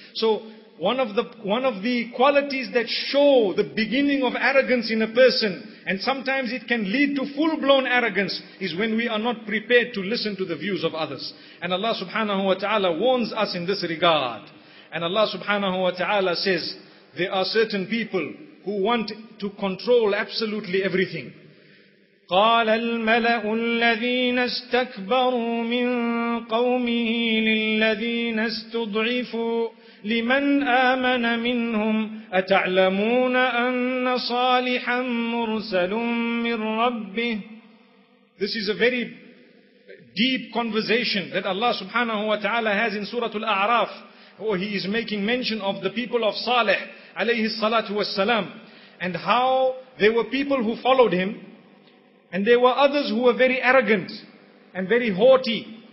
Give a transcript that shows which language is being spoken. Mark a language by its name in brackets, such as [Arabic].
[English] So one of the qualities that show the beginning of arrogance in a person, and sometimes it can lead to full-blown arrogance, is when we are not prepared to listen to the views of others. And Allah subhanahu wa ta'ala warns us in this regard. And Allah subhanahu wa ta'ala says, there are certain people who want to control absolutely everything. [Arabic] قال الملأ الذين استكبروا من قومه للذين استضعفوا لمن آمن منهم أتعلمون أن صالحا مرسل من ربه. [English] This is a very deep conversation that Allah subhanahu wa ta'ala has in Surah Al-A'raf, where he is making mention of the people of Salih alayhi salatu wassalam, and how there were people who followed him. And there were others who were very arrogant and very haughty.